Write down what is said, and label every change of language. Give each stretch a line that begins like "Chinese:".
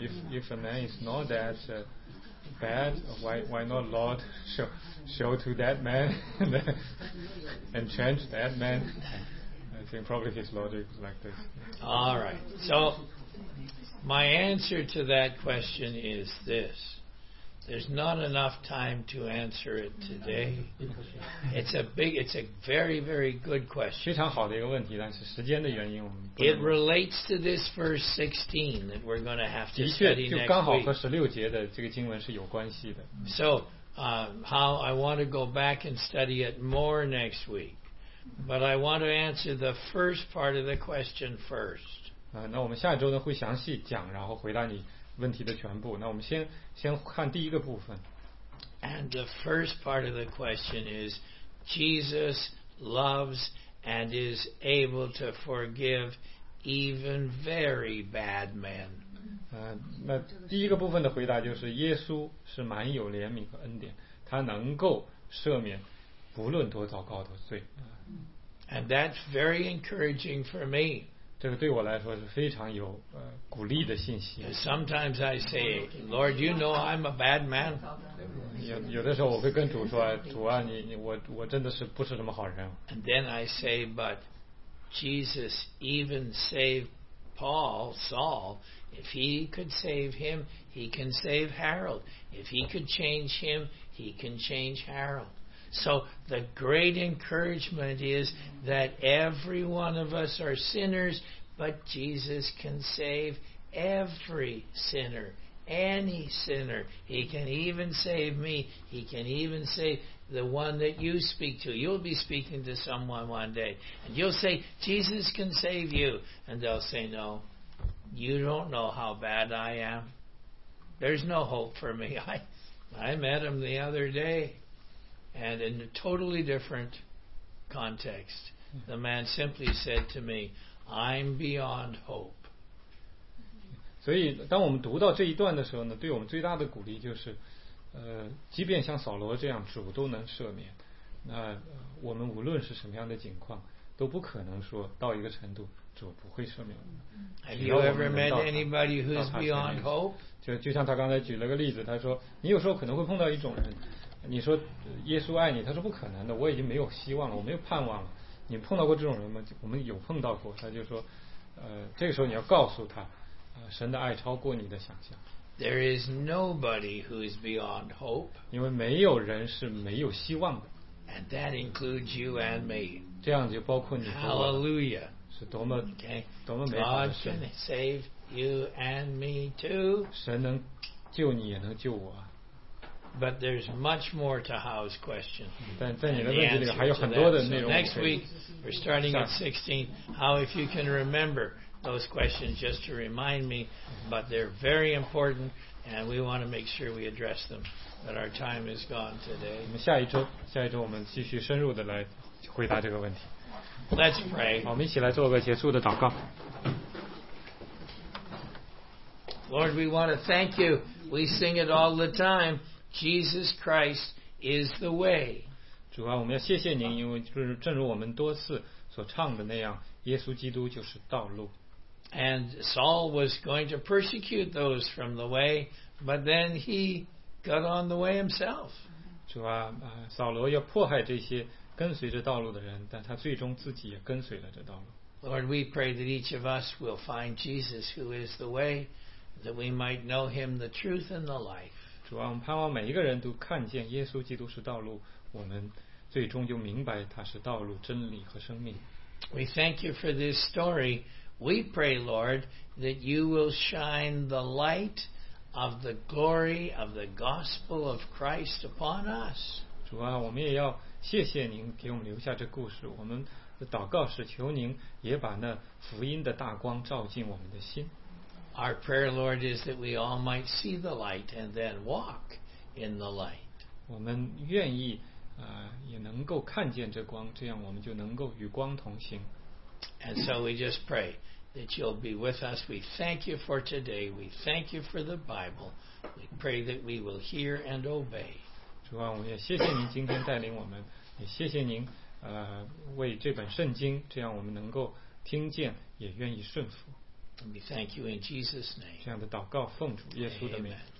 English: If a man is not that bad, why not Lord show to that man and change that man? I think probably his logic is like this. All right. So my answer to that question is this. There's not enough time to answer it today. It's a very, very good question.
Chinese: 非常好的一个问题，但是时间的原因，我们
English: It relates to this verse 16 that we're going to have to study next week.
Chinese: 的确，就刚好和十六节的这个经文是有关系的。
English: So, how I want to go back and study it more next week, but I want to answer the first part of the question first.
Chinese: 那我们下周呢会详细讲，然后回答你。问题的全部，那我们先看第一个部分。
English: And the first part of the question is, Jesus loves and is able to forgive even very bad men.
Chinese: 那第一个部分的回答就是，耶稣是满有怜悯和恩典，他能够赦免不论多糟糕的罪。
English: And that's very encouraging for me.
Chinese: 这个对我来说是非常有鼓励的信息。
English: Sometimes I say, Lord, you know I'm a bad man.
Chinese: 有的时候我会跟主说，主啊，我真的是不是什么好人。
English: And then I say, but Jesus even saved Paul, Saul. If he could save him, he can save Harold. If he could change him, he can change Harold. So the great encouragement is that every one of us are sinners, but Jesus can save every sinner, any sinner. He can even save me. He can even save the one that you speak to. You'll be speaking to someone one day, and you'll say, Jesus can save you. And they'll say, no, you don't know how bad I am. There's no hope for me. I met him the other day. And in a totally different context, the man simply said to me, I'm beyond hope.
Chinese: 所以当我们读到这一段的时候呢，对我们最大的鼓励就是，即便像扫罗这样主都能赦免，那我们无论是什么样的境况，都都不可能说到一个程度主不会赦免我们。
English: Have you ever met anybody who's beyond hope?
Chinese: 就像他刚才举了个例子，他说你有时候可能会碰到一种人，你说耶稣爱你，他说不可能的，我已经没有希望了，我没有盼望了。你碰到过这种人吗？我们有碰到过。他就说这个时候你要告诉他神的爱超过你的想象。
English: There is nobody who is beyond hope.
Chinese: 因为没有人是没有希望的。
English: And that includes you and me.
Chinese: 这样就包括你和我。
English: Hallelujah.
Chinese: 是多么、
English: okay.
Chinese: 多么美好的神。
English: God can save you and me too.
Chinese: 神能救你也能救我。
English: But there's much more to Howe's question.
Chinese: 但在你的问题里还有很多的内容。
English: So next week we're starting at 16. Howe, if you can rememberthose questions just to remind me, but they're very important and we want to make sure we address them, but our time is gone today.
Chinese: 下一周我们继续深入的来回答这个问题。
English: Let's pray.
Chinese: 我们一起来做个结束的祷告。
English: Lord, we want to thank you. We sing it all the time. Jesus Christ is the way.
Chinese: 主啊，我们要谢谢您，因为就是正如我们多次所唱的那样，耶稣基督就是道路。
English: And Saul was going to persecute those from the way, but then he got on the way himself.
Chinese: 主啊，扫罗要迫害这些跟随着道路的人，但他最终自己也跟随了这道路。
English: Lord, we pray that each of us will find Jesus, who is the way, that we might know Him, the truth, and the life.
Chinese: 主啊，我们盼望每一个人都看见耶稣基督是道路，我们最终就明白他是道路、真理和生命。
English: We thank you for this story. We pray, Lord, that you will shine the light of the glory of the gospel of Christ upon us.
Chinese: 主啊，我们也要谢谢您给我们留下这故事。我们的祷告是求您也把那福音的大光照进我们的心。
English: Our prayer, Lord, is that we all might see the light and then walk in the light.
Chinese: 我们愿意也能够看见这光，这样我们就能够与光同行。
English: And so we just pray that you'll be with us. We thank you for today. We thank you for the Bible. We pray that we will hear and obey.
Chinese: 主啊，我们也谢谢您今天带领我们，也谢谢您为这本圣经，这样我们能够听见，也愿意顺服。
English: We thank you in Jesus' name.
Chinese: 这样的祷告奉主耶稣的名。